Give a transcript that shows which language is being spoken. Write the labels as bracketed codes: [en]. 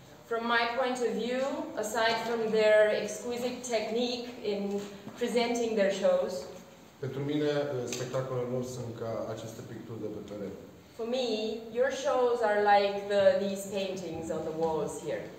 [en] From my point of view, aside from their exquisite technique in presenting their shows. [ro] Pentru mine, spectacolele lor sunt ca aceste picturi de pe perete. [en] For me, your shows are like these paintings on the walls here.